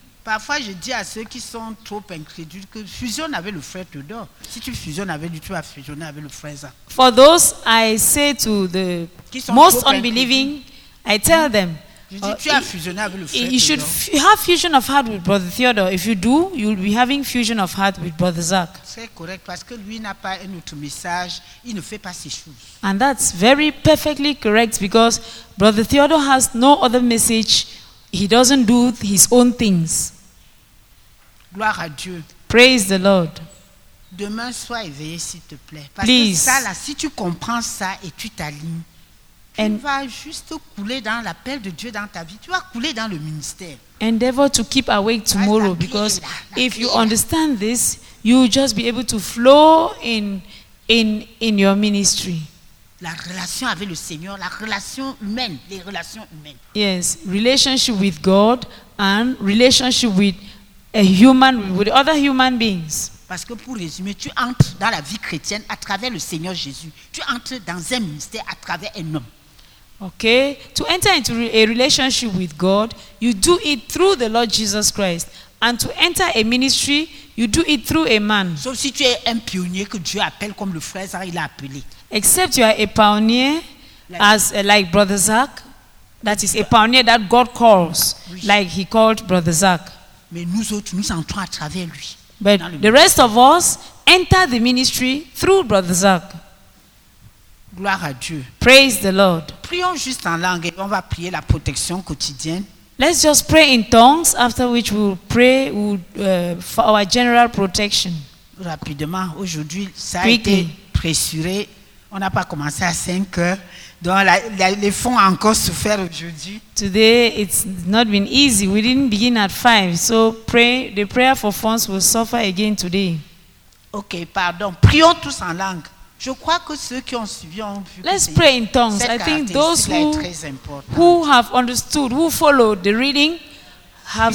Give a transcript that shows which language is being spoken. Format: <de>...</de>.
<fr>Parfois je dis à ceux qui sont trop incrédules que fusionne avec le frère Tudor. Si tu fusionnes avec lui, tu vas fusionner avec le frère Zach.</fr> <en>For those I say to the most unbelieving, I tell them, you should have fusion of heart with Brother Theodore. If you do, you'll be having fusion of heart with Brother Zach.</en> <fr>C'est correct parce que lui n'a pas un autre message. Il ne fait pas ces choses.</fr> <en>And that's very perfectly correct because Brother Theodore has no other message. He doesn't do his own things.</en> <fr>Gloire à Dieu.</fr> <en>Praise the Lord.</en> <fr>Demain, sois éveillé, s'il te plaît. Parce</fr> <en>Please.</en> <fr>Que ça, là, si tu comprends ça et tu t'alignes, tu vas juste couler dans l'appel de Dieu dans ta vie. Tu vas couler dans le ministère.</fr> <en>Endeavor to keep awake tomorrow because if you understand this, you will just be able to flow in your ministry.</en> <fr>La relation avec le Seigneur, la relation humaine, les relations humaines.</fr> <en>Yes, relationship with God and relationship with a human, with other human beings.</en> <fr>Parce que pour résumer, tu entres dans la vie chrétienne à travers le Seigneur Jésus. Tu entres dans un ministère à travers un homme.</fr> <en>Okay, to enter into a relationship with God, you do it through the Lord Jesus Christ. And to enter a ministry, you do it through a man.</en> <fr>Sauf si tu es un pionnier que Dieu appelle comme le frère Zach, il a appelé.</fr> <en>Except you are a pioneer, like Brother Zach. That is a pioneer that God calls, like he called Brother Zach.</en> <fr>Mais nous autres, nous entrons à travers lui.</fr> <en>But the rest of us enter the ministry through Brother Zach.</en> <fr>Gloire à Dieu.</fr> <en>Praise the Lord.</en> <fr>Prions juste en langue et on va prier la protection quotidienne.</fr> <en>Let's just pray in tongues, after which we'll pray for our general protection.</en> <fr>Rapidement, aujourd'hui, ça a été pressuré. On n'a pas commencé à 5 heures. Donc, les fonds ont encore souffert aujourd'hui.</fr> <en>Today, it's not been easy. We didn't begin at 5. So, the prayer for funds will suffer again today.</en> <fr>OK, pardon. Prions tous en langue. Je crois que ceux qui ont suivi ont vu.</fr> <en>Let's pray in tongues. I think those who have understood, who followed the reading, have</en>